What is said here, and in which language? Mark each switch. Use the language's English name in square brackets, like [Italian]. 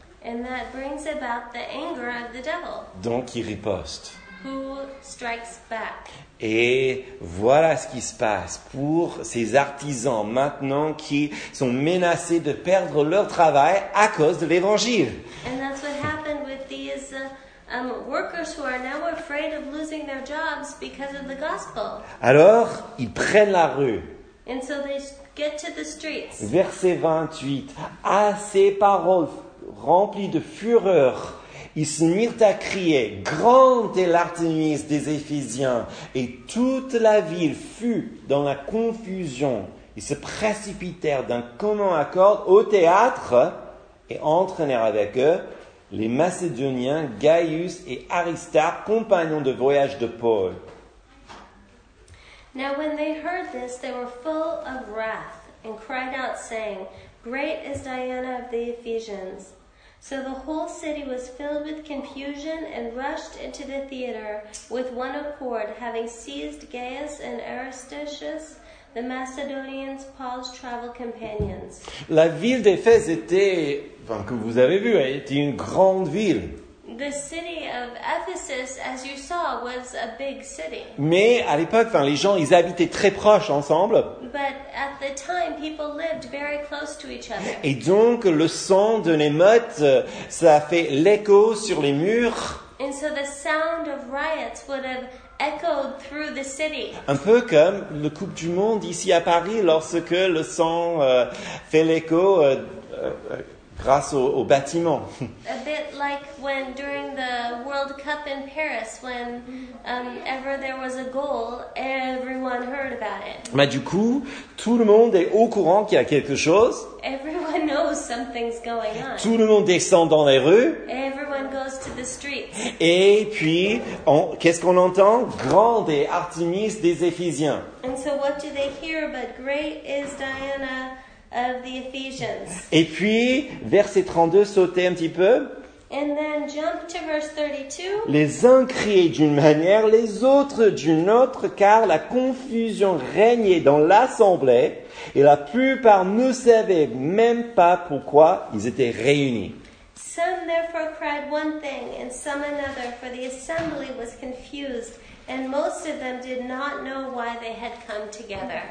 [English] And that brings about the anger of the devil. [French] Donc, il riposte. [English] Who strikes back. [French] Et voilà ce qui se passe pour ces artisans maintenant qui sont menacés de perdre leur travail à cause de l'évangile. [English] And that's what happened with these workers who are now afraid of losing their jobs because of the gospel. [French] Alors, ils prennent la rue. [English] And so they get to the streets. [French] Verset 28. À ces paroles, remplis de fureur, ils se mirent à crier, « Grande est l'Artémis des Éphésiens !» Et toute la ville fut dans la confusion. Ils se précipitèrent d'un commun accord au théâtre et entraînèrent avec eux les Macédoniens, Gaius et Aristarque, compagnons de voyage de Paul. [English] Now when they heard this, they were full of wrath and cried out, saying, Great is Diana of the Ephesians. So the whole city was filled with confusion and rushed into the theater with one accord, having seized Gaius and Aristarchus, the Macedonians, Paul's travel companions. [French] La ville d'Éphèse était une grande ville. [English] The city of Ephesus, as you saw, was a big city. [French] Mais à l'époque, les gens, ils habitaient très proches ensemble. [English] But at the time, people lived very close to each other. [French] Et donc, le son d'une émeute, ça fait l'écho sur les murs. [English] And so the sound of riots would have echoed through the city. [French] Un peu comme le Coupe du Monde ici à Paris, lorsque le son fait l'écho grâce au bâtiment. [English] A bit like when during the World Cup in Paris, when ever there was a goal, everyone heard about it. [French] Mais du coup, tout le monde est au courant qu'il y a quelque chose. [English] Everyone knows something's going on. [French] Tout le monde descend dans les rues. [English] Everyone goes to the streets. [French] Et puis, qu'est-ce qu'on entend? Grande est Artémis des Éphésiens. [English] And so what do they hear but great is Diana of the Ephesians. [French] Et puis, verset 32, sautez un petit peu. [English] And then jump to verse 32. [French] Les uns criaient d'une manière, les autres d'une autre, car la confusion régnait dans l'assemblée, et la plupart ne savaient même pas pourquoi ils étaient réunis. [English] Some therefore cried one thing, and some another, for the assembly was confused. And most of them did not know why they had come together.